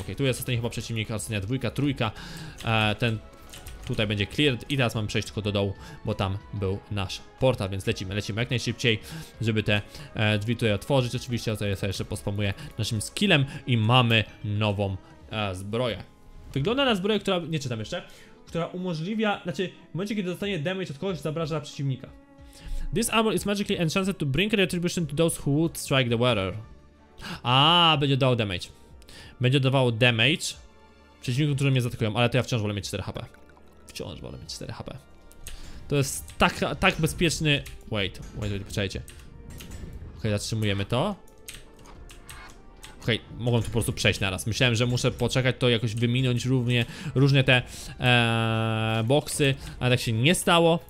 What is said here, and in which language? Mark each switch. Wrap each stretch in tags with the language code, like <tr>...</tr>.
<pl>Okej, tu jest ostatni chyba przeciwnik, ostatnia dwójka, trójka. Ten tutaj będzie cleared i teraz mam przejść tylko do dołu, bo tam był nasz portal, więc lecimy, lecimy jak najszybciej, żeby te drzwi tutaj otworzyć. Oczywiście tutaj sobie jeszcze pospamuję naszym skillem i mamy nową zbroję. Wygląda na zbroję, która, nie czytam jeszcze, która umożliwia, znaczy w momencie, kiedy dostanie damage od kogoś, zabraża przeciwnika.</pl> <en>This armor is magically enchanted to bring retribution to those who would strike the wearer.</en> <pl>A będzie dawał damage. Będzie dawał damage przeciwnikom, którzy mnie zaatakują, ale to ja wciąż wolę mieć 4 HP. Wciąż wolę mieć 4 HP. To jest tak bezpieczny. Wait, poczekajcie. Okej, zatrzymujemy to. Okej, mogłem tu po prostu przejść naraz. Myślałem, że muszę poczekać to jakoś wyminąć różne te boksy, ale tak się nie stało.</pl>